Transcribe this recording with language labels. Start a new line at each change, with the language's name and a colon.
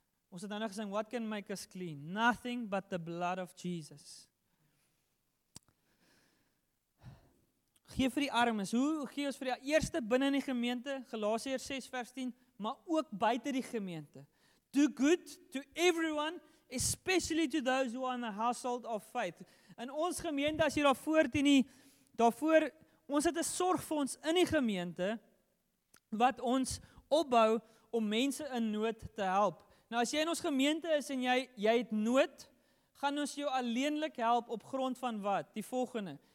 Afrikaans: Ons het nou gesing,
English: what can make us clean? Nothing but the blood of Jesus.
Afrikaans: Gee vir die armes, hoe gee ons vir die eerste binnen die gemeente, Galasiërs 6 vers 10, maar ook buiten die gemeente.
English: Do good to everyone, especially to those who are in the household of faith.
Afrikaans: In ons gemeente, as jy daarvoor, ons het 'n sorgfonds in die gemeente, wat ons opbou om mense in nood te help. Nou as jy in ons gemeente is en jy het nood, gaan ons jou alleenlik help op grond van wat? Die volgende.